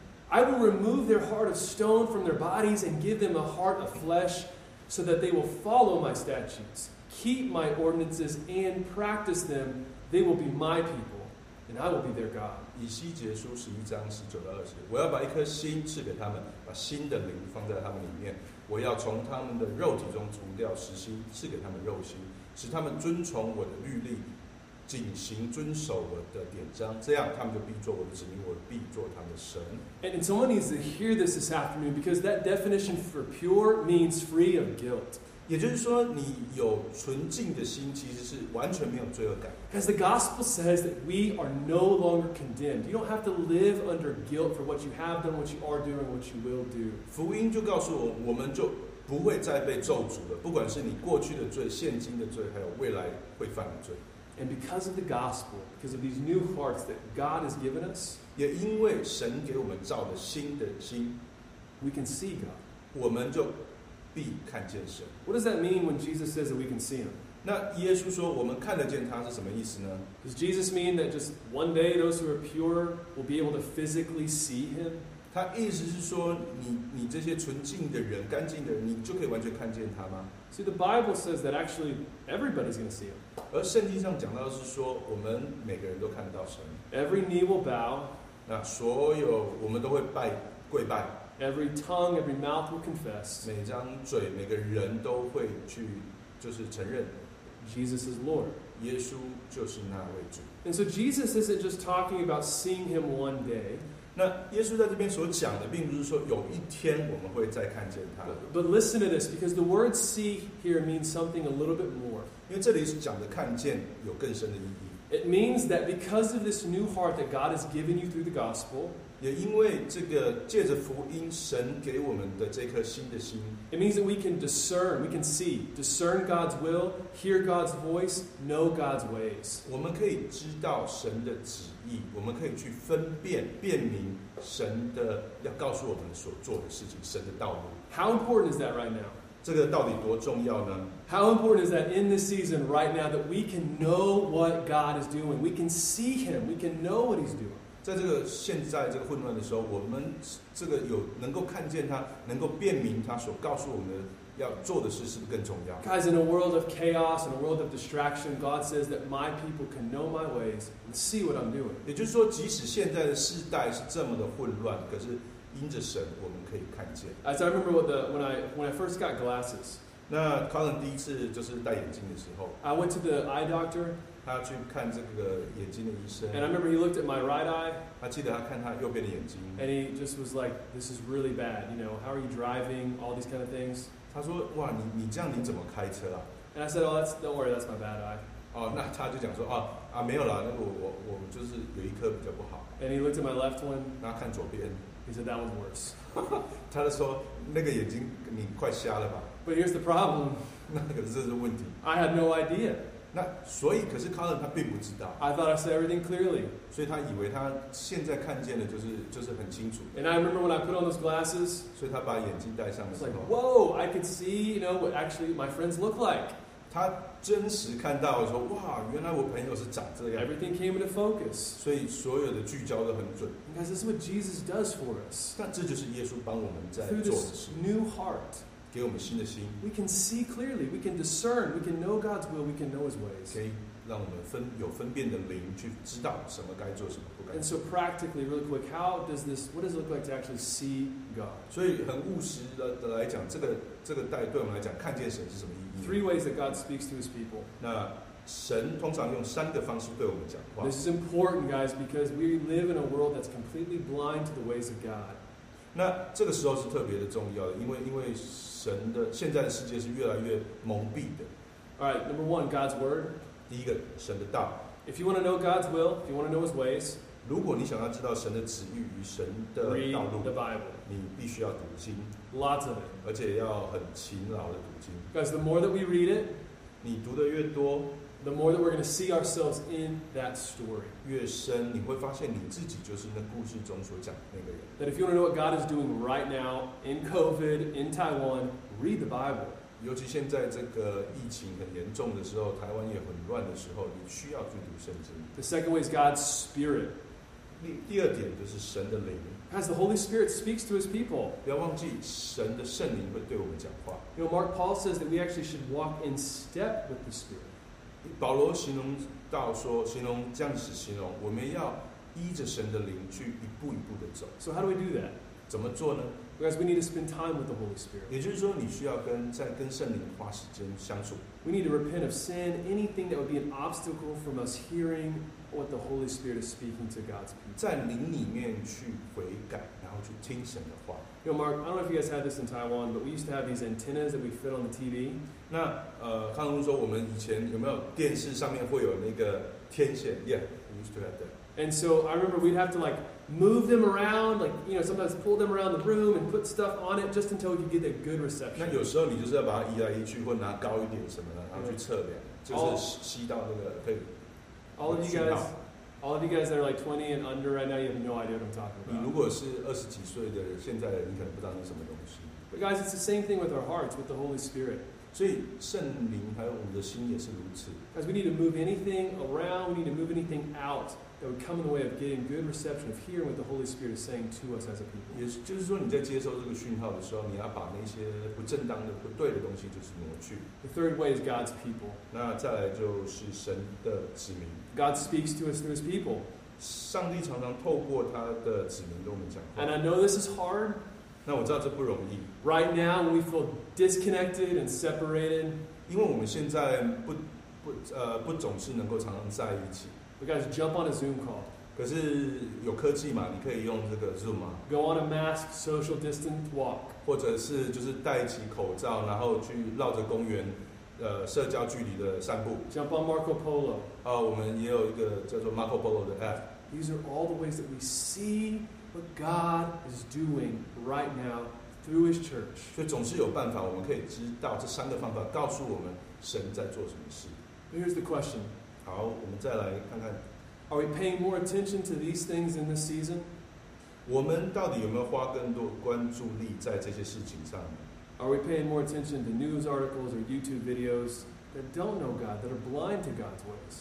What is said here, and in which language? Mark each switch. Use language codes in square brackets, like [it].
[en] I will remove their heart of stone from their bodies and give them a heart of flesh. So that they will follow my statutes, keep my ordinances, and practice them, they will be my people, and I will be their God. [zh] 以西结书十一章十九到二十节，我要把一颗心赐给他们，把新的灵放在他们里面。我要从他们的肉体中除掉石心，赐给他们肉心，使他们遵从我的律例，谨行遵守我的典章。这样他们就必做我的子民，我必做他们的神。 [en] And someone needs to hear this afternoon because that definition for pure means free of guilt. [zh] 也就是说，你有纯净的心，其实是完全没有罪恶感。 [en] Because the gospel says that we are no longer condemned. You don't have to live under guilt for what you have done, what you are doing, what you will do. [zh] 福音就告诉我，我们就不会再被咒诅了，不管是你过去的罪、现今的罪，还有未来会犯的罪。 [en] And because of the gospel, because of these new hearts that God has given us, [zh] 也因为神给我们造的新的心， [en] we can see God. [zh] 我们就必看见神。 [en] What does that mean when Jesus says that we can see Him? [zh] 那耶稣说我们看得见他是什么意思呢？ [en] Does Jesus mean that just one day those who are pure will be able to physically see Him? [zh] 他意思是说你这些纯净的人、干净的人，你就可以完全看见他吗？ [en] See, the Bible says that actually everybody's going to see Him. [zh] 而圣经上讲到的是说，我们每个人都看得到神。 [en] Every knee will bow. [zh] 那所有我们都会拜跪拜。 [en] Every tongue, every mouth will confess. [zh] 每张嘴，每个人都会去就是承认。 [en] Jesus is Lord. [zh] 耶稣就是那位主。 [en] And so Jesus isn't just talking about seeing Him one day. [zh] 那耶稣在这边所讲的，并不是说有一天我们会再看见他。 [en] But listen to this, because the word "see" here means something a little bit more. [zh] 因为这里是讲的看见有更深的意义。 [en] It means that because of this new heart that God has given you through the gospel, [zh] 也因为这个借着福音神给我们的这颗新的心。 [en] It means that we can discern, we can see, discern God's will, hear God's voice, know God's ways. [zh] 我们可以知道神的旨意，我们可以去分辨、辨明神的要告诉我们所做的事情，神的道路。 [en] How important is that right now? [zh] 这个到底多重要呢？ [en] How important is that in this season right now that we can know what God is doing? We can see Him. We can know what He's doing. [zh] 在这个现在这个混乱的时候，我们这个有能够看见他，能够辨明他所告诉我们要做的事，是不是更重要？ [en] Guys, in a world of chaos, in a world of distraction, God says that my people can know my ways and see what I'm doing. [zh] 也就是说，即使现在的世代是这么的混乱，可是因着神，我们可以看见。 [en] As I remember when I first got glasses, [zh] 那 Colin 第一次就是戴眼镜的时候 [en] ，I went to the eye doctor. [zh] 他去看这个眼睛的医生。 [en] And I remember he looked at my right eye. [zh] 他记得他看他右边的眼睛。 [en] And he just was like, "This is really bad. You know, how are you driving? All these kind of things." [zh] 他说，哇，你这样你怎么开车啊 [en] ？And I said, "Oh, that's don't worry, that's my bad eye." [zh] 哦，那他就讲说，啊没有啦，那我就是有一颗比较不好。 [en] And he looked at my left one. [zh] 那看左边。 [en] He said that was worse. [zh] 他就说那个眼睛你快瞎了吧。 [en] But here's the problem. [zh] 那可是这是问题。 [en] I had no idea. [zh] 那所以可是 Colin 他并不知道。 [en] I thought I saw everything clearly. [zh] 所以他以为他现在看见的就是很清楚。 [en] And I remember when I put on those glasses. [zh] 所以他把眼镜戴上的时候。 [en] Like, whoa, I could see, you know, what actually my friends look like. [zh] 他真实看到说，哇，原来我朋友是长这样。 [en] Everything came into focus. [zh] 所以所有的聚焦得很准。 [en] Because this is what Jesus does for us. [zh] 但这就是耶稣帮我们在做的事。 [en] Through this new heart. [zh] 给我们新的心。 [en] We can see clearly. We can discern. We can know God's will. We can know His ways. [zh] 可以让我们有分辨的灵去知道什么该做，什么不该做。 [en] And so practically, really quick, how does this, what does it look like to actually see God? [zh] 所以很务实的来讲，这个带对我们来讲，看见神是什么意义？ [en] Three ways that God speaks to His people. [zh] 那神通常用三个方式对我们讲话。 [en] This is important, guys, because we live in a world that's completely blind to the ways of God. [zh] 那这个时候是特别的重要的，因为神的现在的世界是越来越蒙蔽的。 [en] All right, number one, God's word. [zh] 第一个，神的道。 [en] If you want to know God's will, if you want to know His ways, [zh] 如果你想要知道神的旨意与神的道路 [en] the Bible. [zh] 你必须要读经。 [en] Lots of it. [zh] 而且要很勤劳的读经。 [en] Because the more that we read it, [zh] 你读的越多 [en] the more that we're going to see ourselves in that story. [zh] 越深，你会发现你自己就是那故事中所讲的那个人。 [en] That if you want to know what God is doing right now, in COVID, in Taiwan, read the Bible. [zh] 尤其现在这个疫情很严重的时候，台湾也很乱的时候，你需要去读圣经。 [en] The second way is God's Spirit. [zh] 第二点就是神的灵。 [en] Because the Holy Spirit speaks to His people. [zh] 不要忘记，神的圣灵会对我们讲话。 [en] You know, Mark Paul says that we actually should walk in step with the Spirit. [zh] 保罗形容到说，形容这样子形容，我们要依着神的灵去一步一步的走。 [en] So how do we do that? [zh] 怎么做呢？ [en] Because we need to spend time with the Holy Spirit. [zh] 也就是说，你需要跟圣灵花时间相处。 [en] We need to repent of sin, anything that would be an obstacle from us hearing what the Holy Spirit is speaking to God's people. [zh] 在灵里面去悔改，然后去听神的话。 [en] You know, Mark, I don't know if you guys had this in Taiwan, but we used to have these antennas that we fit on the TV. [zh] 那康龙说，我们以前有没有电视上面会有那个天线 ？ [en] Yeah, we used to have that. And so I remember we'd have to like. Move them around, like, you know, sometimes pull them around the room and put stuff on it just until you get a good reception. [zh] 那有时候你就是要把它移来移去或拿高一点什么的然后去测量就是吸到那个可以 [en] All of you guys that are like 20 and under right now, you have no idea what I'm talking about. [zh] 你如果是二十几岁的现在的你可能不知道那什么东西。 [en] But guys, it's the same thing with our hearts, with the Holy Spirit. [zh] 所以圣灵还有我们的心也是如此。 [en] Because we need to move anything around, we need to move anything out. That would come in the way of getting good reception of hearing what the Holy Spirit is saying to us as a people. [zh] 也就是说，你在接收这个讯号的时候，你要把那些不正当的、不对的东西就是挪去。 [en] The third way is God's people. [zh] 那再来就是神的子民。 [en] God speaks to us through His people. [zh] 上帝常常透过他的子民跟我们讲话。 [en] And I know this is hard. [zh] 那我知道这不容易。 [en] Right now, when we feel disconnected and separated. [zh] 因为我们现在不总是能够常常在一起。 [en] But guys, jump on a Zoom call. [zh] 可是有科技嘛，你可以用这个 Zoom 嘛。 [en] Go on a mask, social distance walk. [zh] 或者是就是戴起口罩，然后去绕着公园，社交距离的散步。 [en] Jump on Marco Polo. [zh] 我们也有一个叫做 Marco Polo 的 app. [en] These are all the ways that we see what God is doing right now through His church. [zh] 所以总是有办法，我们可以知道这三个方法告诉我们神在做什么事。 [en] But here's the question. [zh] 好，我们再来看看。 [en] Are we paying more attention to these things in this season? [zh] 我们到底有没有花更多关注力在这些事情上呢？ [en] Are we paying more attention to news articles or YouTube videos that don't know God, that are blind to God's ways?